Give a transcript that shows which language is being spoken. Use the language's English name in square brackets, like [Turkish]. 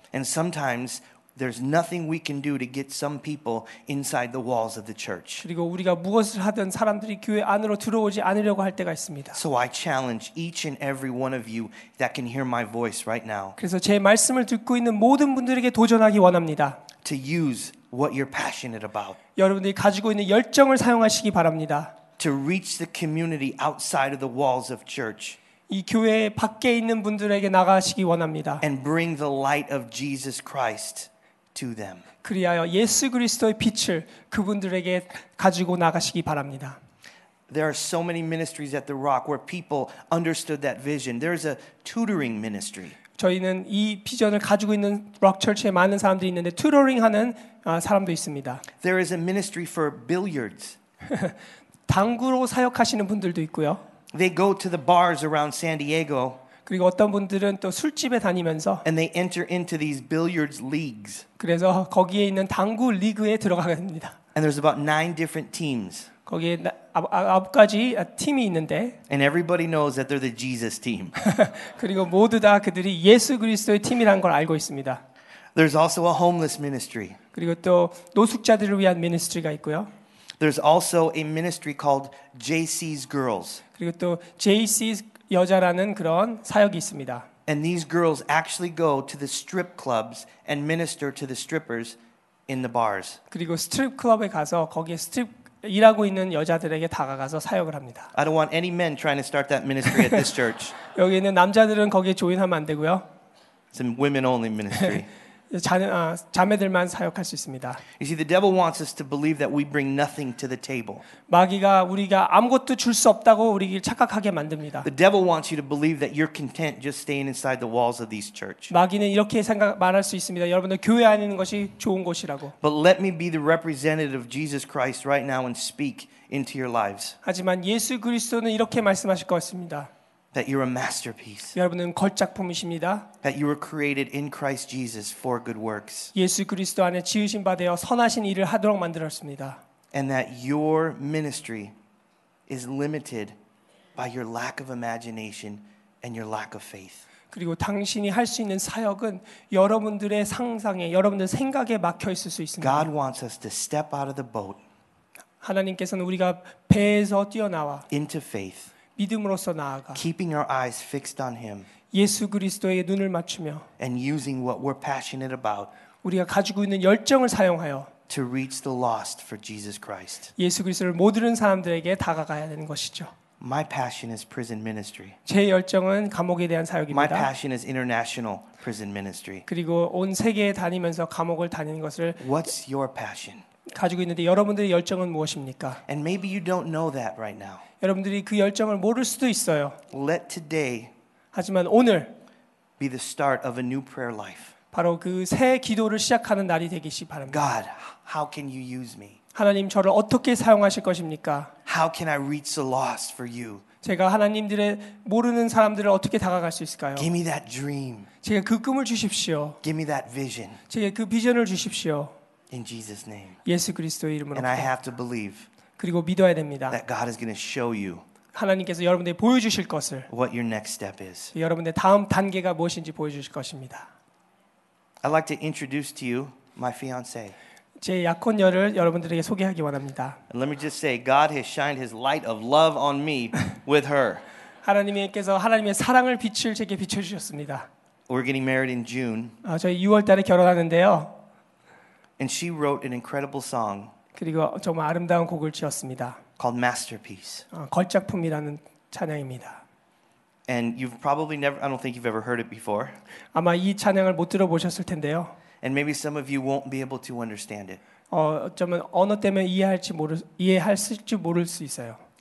[English] And sometimes there's nothing we can do to get some people inside the walls of the church. [Korean] 그리고 우리가 무엇을 하든 사람들이 교회 안으로 들어오지 않으려고 할 때가 있습니다. [English] So I challenge each and every one of you that can hear my voice right now. [Korean] 그래서 제 말씀을 듣고 있는 모든 분들에게 도전하기 원합니다. [English] To use what you're passionate about. [Korean] 여러분들이 가지고 있는 열정을 사용하시기 바랍니다. [English] To reach the community outside of the walls of church. [Korean] 이 교회 밖에 있는 분들에게 나가시기 원합니다. [English] And bring the light of Jesus Christ to them. [Korean] 그리하여 예수 그리스도의 빛을 그분들에게 가지고 나가시기 바랍니다. [English] There are so many ministries at the Rock where people understood that vision. There's a tutoring ministry. [Korean] 저희는 이 비전을 가지고 있는 Rock Church에 많은 사람들이 있는데 튜터링 하는 사람도 있습니다. [English] There is a ministry for billiards. [Korean] 당구로 사역하시는 분들도 있고요. [English] They go to the bars around San Diego. [Korean] 그리고 어떤 분들은 또 술집에 다니면서 [English] and they enter into these billiards leagues. [Korean] 그래서 거기에 있는 당구 리그에 들어가게 됩니다. [English] And there's about 9 different teams. [Korean] 거기에 아홉 가지 팀이 있는데. [English] And everybody knows that they're the Jesus team. [Korean] 그리고 모두 다 그들이 예수 그리스도의 팀이란 걸 알고 있습니다. [English] There's also a homeless ministry. [Korean] 그리고 또 노숙자들을 위한 ministry가 있고요. [English] There's also a ministry called JC's Girls. [Korean] 그리고 또 JC's 여자라는 그런 사역이 있습니다. [English] And these girls actually go to the strip clubs and minister to the strippers in the bars. [Korean] 그리고 스트립 클럽에 가서 거기에 스트립 일하고 있는 여자들에게 다가가서 사역을 합니다. [English] I don't want any men trying to start that ministry at this church. [Korean] 여기 있는 남자들은 거기에 조인하면 안 되고요. [English] It's a women only ministry. [Korean] 자매들만 사역할 수 있습니다. [English] You see, the devil wants us to believe that we bring nothing to the table. [Korean] 마귀가 우리가 아무것도 줄 수 없다고 우리를 착각하게 만듭니다. [English] The devil wants you to believe that you're content just staying inside the walls of these church. [Korean] 마귀는 이렇게 생각 말할 수 있습니다. 여러분들 교회 안에 있는 것이 좋은 곳이라고. [English] But let me be the representative of Jesus Christ right now and speak into your lives. [Korean] 하지만 예수 그리스도는 이렇게 말씀하실 것입니다. [English] That you're a masterpiece. [Korean] 여러분은 걸작품이십니다. [English] That you were created in Christ Jesus for good works. [Korean] 예수 그리스도 안에 지으신 바 되어 선하신 일을 하도록 만들었습니다. [English] And that your ministry is limited by your lack of imagination and your lack of faith. [Korean] 그리고 당신이 할 수 있는 사역은 여러분들의 상상에, 여러분들의 생각에 막혀 있을 수 있습니다. [English] God wants us to step out of the boat. [Korean] 하나님께서는 우리가 배에서 뛰어나와 [English] into faith. [Korean] 믿음으로서 나아가 [English] keeping our eyes fixed on him [Korean] 예수 그리스도의 눈을 맞추며 [English] and using what we're passionate about [Korean] 우리가 가지고 있는 열정을 사용하여 [English] to reach the lost for Jesus Christ [Korean] 예수 그리스도를 못 이룬 사람들에게 다가가야 되는 것이죠. [English] My passion is prison ministry. [Korean] 제 열정은 감옥에 대한 사역입니다. [English] My passion is international prison ministry. [Korean] 그리고 온 세계에 다니면서 감옥을 다니는 것을 [English] What's your passion? [Korean] 가지고 있는데 여러분들의 열정은 무엇입니까? [English] And maybe you don't know that right now. [Korean] 여러분들이 그 열정을 모를 수도 있어요. [English] Let today [Korean] 하지만 오늘 [English] be the start of a new prayer life. [Korean] 바로 그 새 기도를 시작하는 날이 되기시 바랍니다. [English] God, how can you use me? [Korean] 하나님 저를 어떻게 사용하실 것입니까? [English] How can I reach the lost for you? [Korean] 제가 하나님들의 모르는 사람들을 어떻게 다가갈 수 있을까요? [English] Give me that dream. [Korean] 제게 그 꿈을 주십시오. [English] Give me that vision. [Korean] 제게 그 비전을 주십시오. [English] In Jesus' name. [Korean] 예수 그리스도의 이름으로. [English] And I have to believe. [Korean] 그리고 믿어야 됩니다. [English] That God is going to show you. [Korean] 하나님께서 여러분들 보여주실 것을. [English] What your next step is. [Korean] 여러분들 다음 단계가 무엇인지 보여주실 것입니다. [English] I'd like to introduce to you my fiance. [Korean] 제 약혼녀를 여러분들에게 소개하기 원합니다. [English] And let me just say, God has shined His light of love on me with her. [Korean] 하나님께서 하나님의 사랑을 빛을 제게 비춰주셨습니다. [English] We're getting married in June. [Korean] 저희 6월 달에 결혼하는데요. [English] And she wrote an incredible song. [Korean] 그리고 정말 아름다운 곡을 지었습니다. [English] Called Masterpiece. [Korean] 걸작품이라는 찬양입니다. [English] And you've probably never—I don't think you've ever heard it before. [Korean] 아마 이 찬양을 못 들어보셨을 텐데요. [English] And maybe some of you won't be able to understand it. [Korean] 어쩌면 언어 때문에 이해할지 모를 수 있어요.